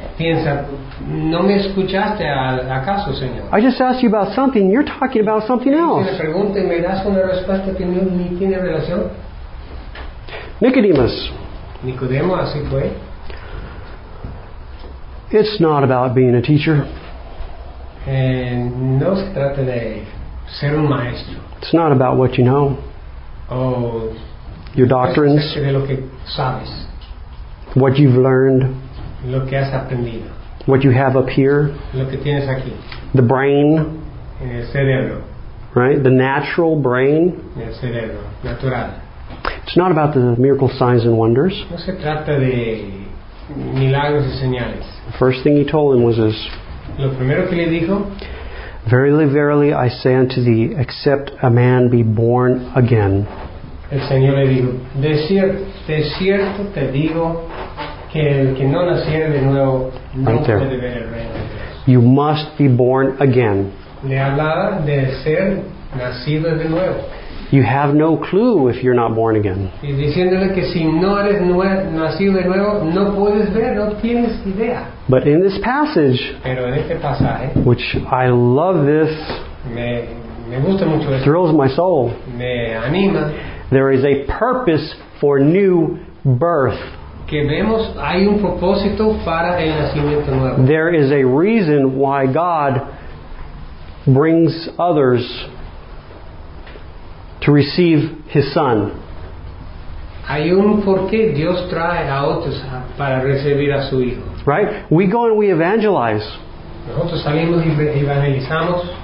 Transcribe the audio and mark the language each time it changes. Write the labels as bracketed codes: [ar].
[es] piensa, ¿no me escuchaste acaso, Señor? [en] I just asked you about something, you're talking about something else. [es] Me pregunta y me das una respuesta que ni tiene relación. [en] Nicodemus. [es] Nicodemo, así fue. [en] It's not about being a teacher. [es] No se trata de ser un maestro. [en] It's not about what you know. Your doctrines. [es] De lo que sabes. [en] What you've learned. [es] Lo que has aprendido. [en] What you have up here. [es] Lo que tienes aquí. [en] The brain. [es] El cerebro. [en] Right? The natural brain. [es] El cerebro. Natural. [en] It's not about the miracle signs and wonders. [es] No se trata de milagros y señales. [en] The first thing he told him was this. [es] Lo primero que le dijo, [en] verily, verily, I say unto thee, except a man be born again. [es] El Señor le dijo, de cierto te digo que el que no naciere de nuevo no puede ver el reino de Dios. [en] You must be born again. [es] Le hablaba de ser nacido de nuevo. [en] You have no clue if you're not born again. [es] Y diciéndole que si no eres nacido de nuevo, no puedes ver, no tienes idea. [en] But in this passage, [es] pero en este pasaje, [en] which I love this, [es] me gusta mucho esto, [en] thrills my soul, [es] me anima, [en] there is a purpose for new birth. [es] Que vemos, hay un propósito para el nacimiento nuevo. [en] There is a reason why God brings others to receive his son. [es] Hay un porqué Dios trae a otros para recibir a su hijo. [en] Right? We go and we evangelize. [es] Nosotros salimos y evangelizamos.